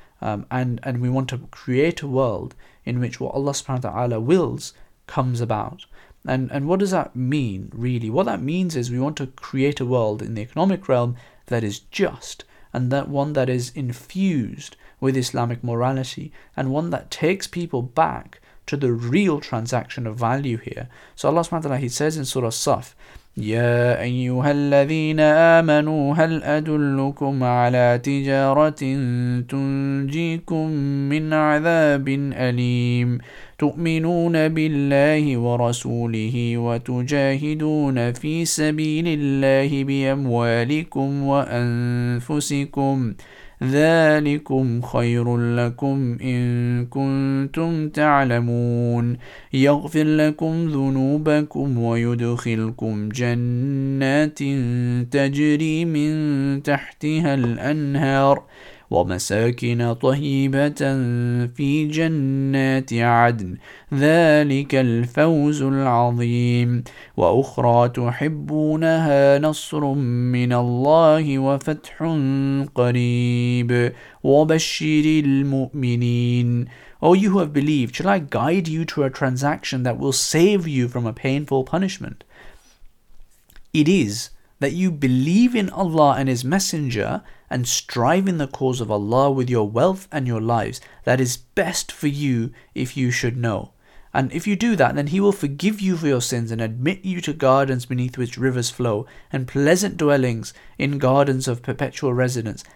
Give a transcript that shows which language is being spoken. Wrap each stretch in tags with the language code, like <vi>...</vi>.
<en>And we want to create a world in which what Allah subhanahu wa ta'ala wills comes about. And what does that mean, really? What that means is we want to create a world in the economic realm that is just, and that one that is infused with Islamic morality, and one that takes people back to the real transaction of value here. So Allah subhanahu wa ta'ala, He says in Surah Saf,</en> <ar>يَا أَيُّهَا الَّذِينَ آمَنُوا هَلْ أَدُلُّكُمْ عَلَىٰ تِجَارَةٍ تُنْجِيكُمْ مِنْ عَذَابٍ أَلِيمٍ تُؤْمِنُونَ بِاللَّهِ وَرَسُولِهِ وَتُجَاهِدُونَ فِي سَبِيلِ اللَّهِ بِأَمْوَالِكُمْ وَأَنفُسِكُمْ ذلكم خير لكم إن كنتم تعلمون يغفر لكم ذنوبكم ويدخلكم جنات تجري من تحتها الأنهار ومساكن طيبة في جنات عدن ذلك الفوز العظيم وأخرى تحبونها نصر من الله وفتح قريب وبشر المؤمنين.</ar> <en>O you who have believed, shall I guide you to a transaction that will save you from a painful punishment? It is that you believe in Allah and His Messenger and strive in the cause of Allah with your wealth and your lives. That is best for you if you should know. And if you do that, then He will forgive you for your sins and admit you to gardens beneath which rivers flow and pleasant dwellings in gardens of perpetual residence.</en>